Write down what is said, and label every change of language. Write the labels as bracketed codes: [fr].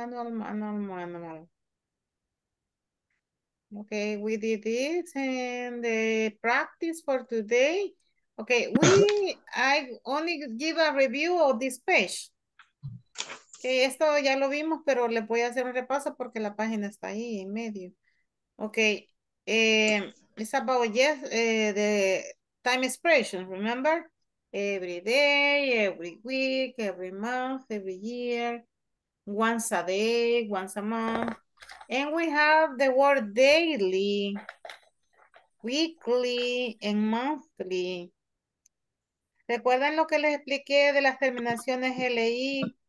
[en] Manual. Okay, we did it and the practice for today. Okay, I only give a review of this page. [es] Okay, esto ya lo vimos, pero le voy a hacer un repaso porque la página está ahí en medio. [en] Okay, it's about yes, the time expression, remember? Every day, every week, every month, every year, once a day, once a month. And we have the word daily, weekly, and monthly. [es] ¿Recuerdan lo que les expliqué de las terminaciones LI?